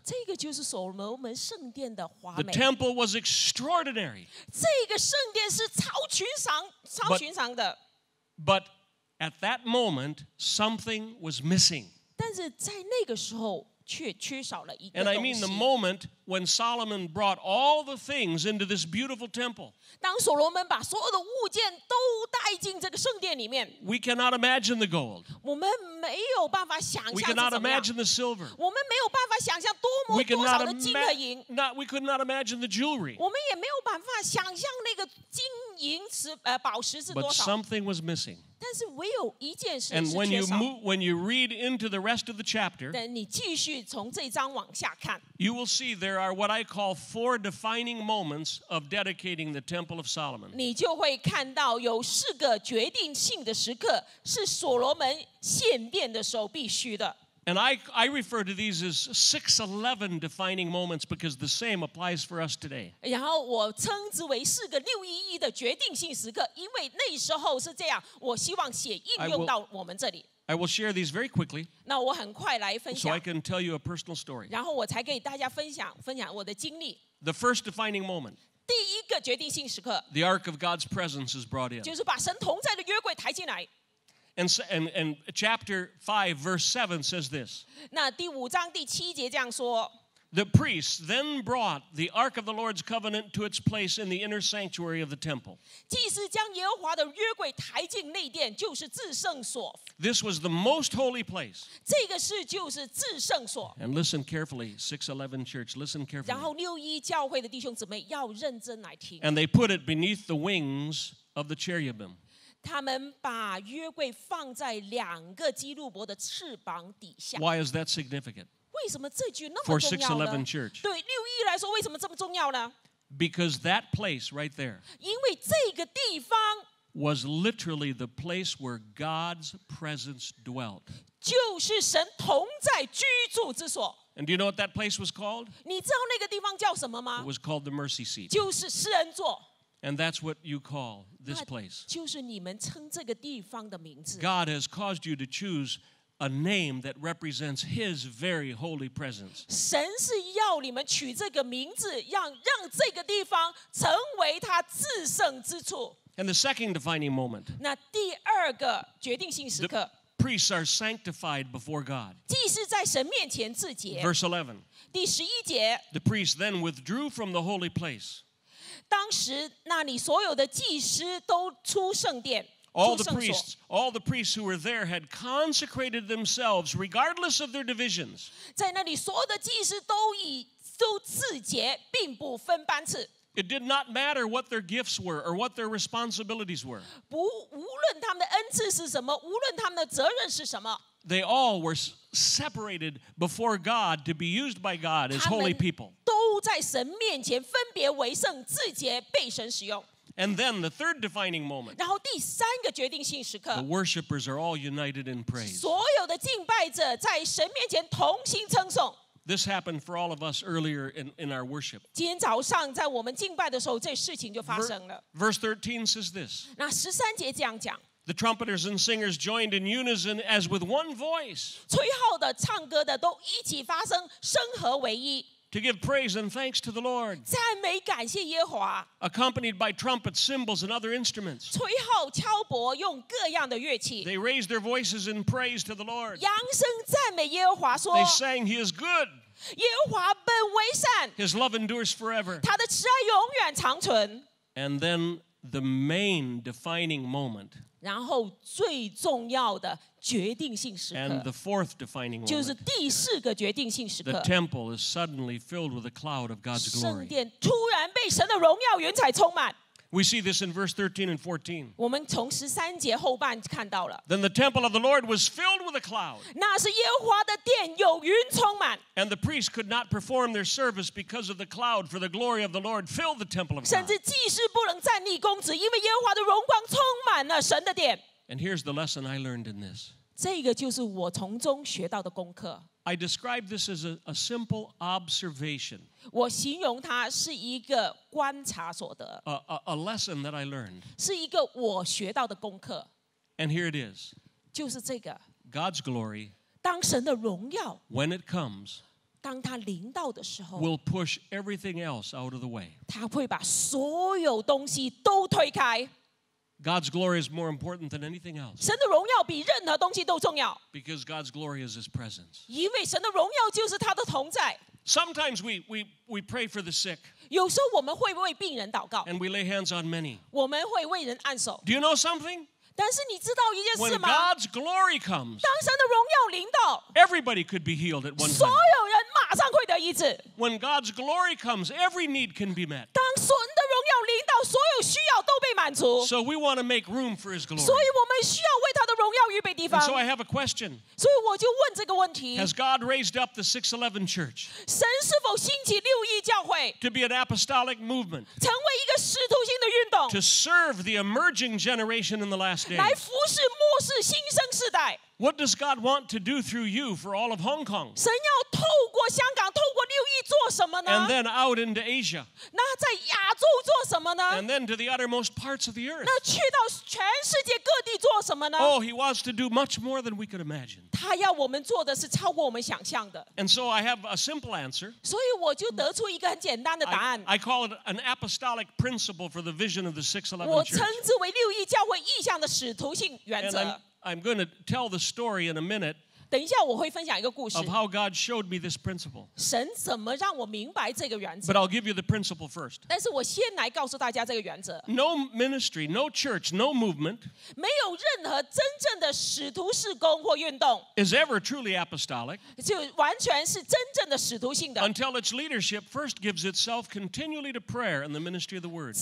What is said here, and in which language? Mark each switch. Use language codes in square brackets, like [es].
[zh] 这个就是所罗门圣殿的华美。 [en] The temple was extraordinary. [zh] 这个圣殿是超群赏的。 [en] But At that moment, something was missing. [zh] 但是在那个时候却缺少了一个东西。 [en] And I mean the moment when Solomon brought all the things into this beautiful temple. [zh] 当所罗门把所有的物件都带进这个圣殿里面。 [en] We cannot imagine the gold. [zh] 我们没有办法想象是怎么样。 [en] We cannot imagine the silver. [zh] 我们没有办法想象多么多少的金和银。 [en] We could not imagine the jewelry. [zh] 我们也没有办法想象那个金银石宝石是多少。 [en] But something was missing. [zh] 但是唯有一件事是缺 [en] 少。And when you read into the rest of the chapter, [zh] 等你继续从这章往下看， [en] you will see there are what I call four defining moments of dedicating the Temple of Solomon. [zh] 你就会看到有四个决定性的时刻是所罗门献殿的时候必须的。 [en] And I refer to these as 611 defining moments because the same applies for us today. [zh] 然后我称之为四个六一一的决定性时刻，因为那时候是这样。我希望写应用到我们这里。 [en] I will share these very quickly. [zh] 那我很快来分享。 [en] So I can tell you a personal story. [zh] 然后我才给大家分享我的经历。 [en] The first defining moment. [zh] 第一个决定性时刻。 [en] The Ark of God's presence is brought in. [zh] 就是把神同在的约柜抬进来。 [en] And chapter 5, verse 7 says this. [zh] 那第五章第七节这样说。 [en] The priests then brought the Ark of the Lord's Covenant to its place in the inner sanctuary of the temple. [zh] 祭司将耶和华的约柜抬进内殿，就是至圣所。 [en] This was the most holy place. [zh] 这个是就是至圣所。 [en] And listen carefully, 611 church, listen carefully. [zh] 然后六一教会的弟兄姊妹要认真来听。 [en] And they put it beneath the wings of the cherubim. [zh] 他们把约柜放在两个基路伯的翅膀底下。 [en] Why is that significant? [zh] 为什么这句那么重要呢 [en] ？For 611 Church. [zh] 对六一来说，为什么这么重要呢 [en] ？Because that place right there. [zh] 因为这个地方 [en] was literally the place where God's presence dwelt. [zh] 就是神同在居住之所。 [en] And do you know what that place was called? [zh] 你知道那个地方叫什么吗 [en] ？It was called the mercy seat. [zh] 就是施恩座。 [en] And that's what you call this place. [zh] 就是你们称这个地方的名字。 [en] God has caused you to choose a name that represents His very holy presence. [zh] 神是要你们取这个名字，让这个地方成为他至圣之处。 [en] And the second defining moment. [zh] 那第二个决定性时刻。 [en] Priests are sanctified before God. [zh] 祭司在神面前自洁。 [en] Verse 11. [zh] 第十一节。 [en] The priests then withdrew from the holy place. [zh] 当时那里所有的祭司都出圣殿。 [en] All the priests who were there had consecrated themselves regardless of their divisions. [zh] 在那里所有的祭司都自洁，并不分班次。 [en] It did not matter what their gifts were or what their responsibilities were. [zh] 无论他们的恩赐是什么，无论他们的责任是什么。 [en] They all were separated before God to be used by God as holy people. [zh] 都在神面前分别为圣，自洁，被神使用。 [en] And then the third defining moment. [zh] 然后第三个决定性时刻。 [en] The worshippers are all united in praise. [zh] 所有的敬拜者在神面前同心称颂。 [en] This happened for all of us earlier in our worship. [zh] 今天早上在我们敬拜的时候，这事情就发生了。 [en] Verse 13 says this. [zh] 那十三节这样讲。 [en] The trumpeters and singers joined in unison as with one voice. [zh] 吹号的、唱歌的都一起发声，声合为一。 [en] To give praise and thanks to the Lord. [zh] 赞美感谢耶和华。 [en] Accompanied by trumpets, cymbals, and other instruments. [zh] 吹号、敲钹，用各样的乐器。 [en] They raised their voices in praise to the Lord. [zh] 扬声赞美耶和华说。 [en] They sang, "He is good." [zh] 耶和华本为善。 [en] His love endures forever. [zh] 他的慈爱永远长存。 [en] And then the main defining moment. [zh] 然后最重要的决定性时刻 [en] ，and the fourth defining moment, [zh] 就是第四个决定性时刻。 [en] The temple is suddenly filled with a cloud of God's glory. [zh] 圣殿突然被神的荣耀云彩充满。 [en] We see this in verse 13 and 14. [zh] 我们从十三节后半看到了。 [en] Then the temple of the Lord was filled with a cloud. [zh] 那是耶和华的殿有云充满。 [en] And the priests could not perform their service because of the cloud, for the glory of the Lord filled the temple of God. [zh] 甚至祭司不能站立供职，因为耶和华的荣光充满了神的殿。 [en] And here's the lesson I learned in this. [zh] 这个就是我从中学到的功课。 [en] I describe this as a simple observation. [zh] 我形容它是一个观察所得。 [en] A lesson that I learned. [zh] 是一个我学到的功课。 [en] And here it is. [zh] 就是这个。 [en] God's glory. [zh] 当神的荣耀。 [en] When it comes. [zh] 当它临到的时候。 [en] Will push everything else out of the way. [zh] 它会把所有东西都推开。 [en] God's glory is more important than anything else. [zh] 神的荣耀比任何东西都重要。 [en] Because God's glory is His presence. [zh] 因为神的荣耀就是他的同在。 [en] Sometimes we pray for the sick. [zh] 有时候我们会为病人祷告。 [en] And we lay hands on many. [zh] 我们会为人按手。 [en] Do you know something? [zh] 但是你知道一件事吗 [en] When God's glory comes, [zh] 当神的荣耀临到 [en] everybody could be healed at one time. [zh] 所有人马上会得医治 [en] When God's glory comes, every need can be met. [zh] 当神的荣耀临到所有需要都被满足 [en] So we want to make room for His glory. [zh] 所以我们需要为他的荣耀预备地方 [en] And so I have a question. [zh] 所以我就问这个问题 [en] Has God raised up the 611 church? [zh] 神是否兴起六一教会 [en] To be an apostolic movement. [zh] 成为一个使徒性的运动 [en] To serve the emerging generation in the last days. [zh] 来服侍末世新生世代。 [en] What does God want to do through you for all of Hong Kong? [zh] 神要透过香港，透过六一做什么呢 [en] ？And then out into Asia. [zh] 那在亚洲做什么呢 [en] ？And then to the uttermost parts of the earth. [zh] 那去到全世界各地做什么呢 [en] ？Oh, He wants to do much more than we could imagine. [zh] 他要我们做的是超过我们想象的。 [en] And so I have a simple answer. [zh] 所以我就得出一个很简单的答案。 [en] I call it an apostolic principle for the vision of the 611 church. [zh] 我称之为六一教会意向的使徒性原则。 [en] I'm going to tell the story in a minute. [zh] 等一下，我会分享一个故事。 [en] Of how God showed me this principle. [zh] 神怎么让我明白这个原则 [en] ？But I'll give you the principle first. [zh] 但是我先来告诉大家这个原则。 [en] No ministry, no church, no movement. [zh] 没有任何真正的使徒事工或运动。 [en] Is ever truly apostolic? [zh] 就完全是真正的使徒性的。 [en] Until its leadership first gives itself continually to prayer and the ministry of the word.